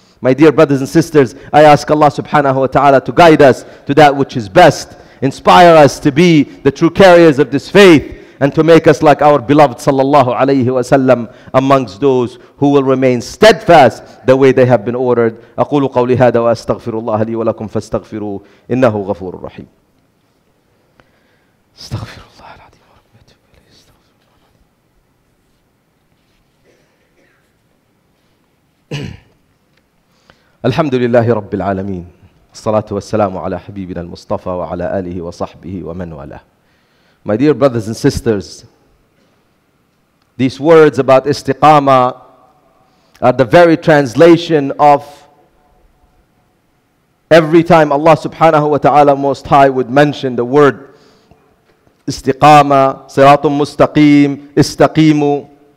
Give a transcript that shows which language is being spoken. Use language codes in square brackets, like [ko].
[en] My dear brothers and sisters, I ask Allah subhanahu wa ta'ala to guide us to that which is best. Inspire us to be the true carriers of this faith and to make us like our beloved sallallahu alayhi wa sallam amongst those who will remain steadfast the way they have been ordered. [ar] أقول قولي هذا وأستغفر الله لي ولكم فاستغفروه إنه غفور رحيم. استغفر الله العظيم ورحمة الله استغفر الله العظيم. الحمد لله رب العالمين. الصلاة والسلام على حبيبنا المصطفى وعلى آله وصحبه ومن والاه. [en] My dear brothers and sisters, these words about istiqama are the very translation of every time Allah subhanahu wa ta'ala Most High would mention the word istiqama, siratum mustaqim, istaqimu.